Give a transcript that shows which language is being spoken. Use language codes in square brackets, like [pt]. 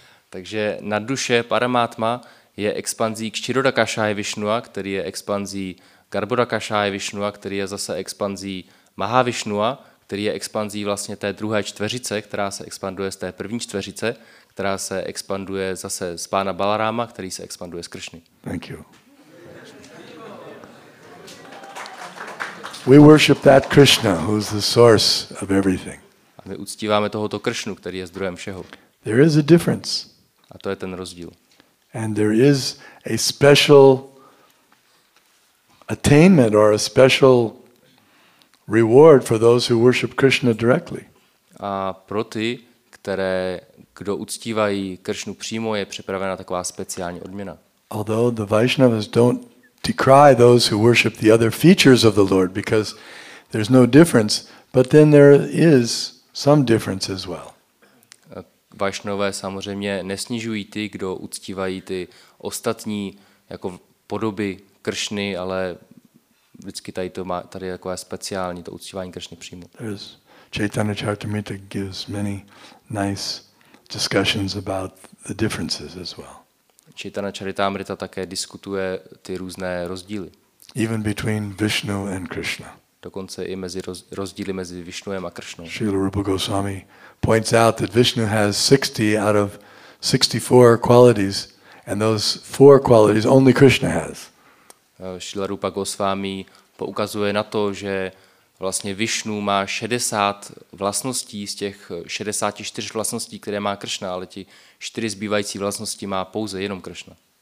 [cs] Takže nadduše Paramatma je expanzí Kshirodakshaya Vishnua, který je expanzí Garbhodakshaya Vishnua, který je zase expanzí Mahavishnua, který je expanzí vlastně té druhé čtveřice, která se expanduje z té první čtveřice, která se expanduje zase z pána Balarama, který se expanduje z Krishny. [en] Thank you. We worship that Krishna, who's the source of everything. [cs] A my uctíváme tohoto Krishnu, který je zdrojem všeho. [en] There is a difference. [cs] A to je ten rozdíl. [en] And there is a special attainment or a special reward for those who worship Krishna directly. [cs] A pro ty, kdo uctívají Krishnu přímo, je připravena taková speciální odměna. [en] Although the Vaishnavas don't decry those who worship the other features of the Lord because there's no difference, but then there is some difference as well. [cs] Vaishnavové samozřejmě nesnižují ty, kdo uctívají ty ostatní jako podoby Krishny, ale vždycky tady je takové speciální to uctívání Krishny přímo. [en] Chaitanya Charitamrita gives many nice discussions about the differences as well. [cs] Chaitanya Charitamrita také diskutuje ty různé rozdíly. [en] Even between Vishnu and Krishna. [cs] Dokonce i mezi rozdíly mezi Vishnuem a Krishnou. [en] Srila Rupa Goswami points out that Vishnu has 60 out of 64 qualities, and those four qualities only Krishna has. [cs] Srila Rupa Goswami poukazuje na to, že vlastně Vishnu má 60 vlastností z těch 64 vlastností, které má Krishna, ale ty 4 zbývající vlastnosti má pouze jenom Krishna.